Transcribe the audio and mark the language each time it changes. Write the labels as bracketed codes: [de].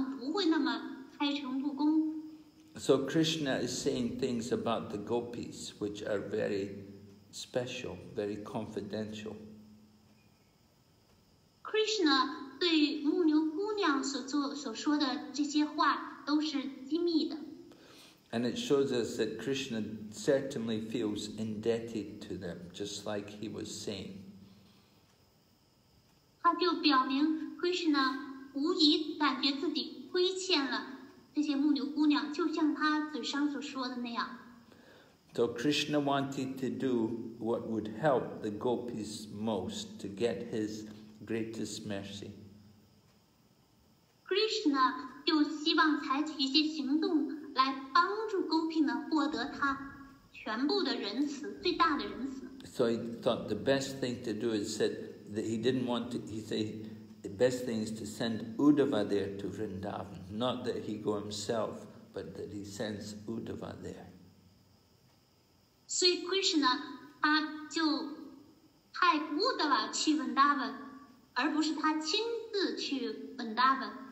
[zh] 但是当着他们的面，我们可能不会那么开诚布公。So [en] Krishna is saying things about the gopis which are very special, very confidential. [zh] Krishna 对牧牛姑娘所说的这些话都是机密的。 [en] And it shows us that Krishna certainly feels indebted to them, just like he was saying. [zh] 他就表明 Krishna 无疑感觉自己亏欠了这些牧牛姑娘，就像他嘴上所说的那样。 [en] So Krishna wanted to do what would help the gopis most to get his greatest mercy. [zh] Krishna 就希望采取一些行动来帮助勾聘们获得他全部的仁慈，最大的仁慈。 [en] So he thought the best thing to do is said that he didn't want to, he said the best thing is to send Uddhava there to Vrindavan, not that he go himself, but that he sends Uddhava there. [zh] 所以 Krishna 他就派 Uddhava 去 Vrindavan, 而不是他亲自去本大本。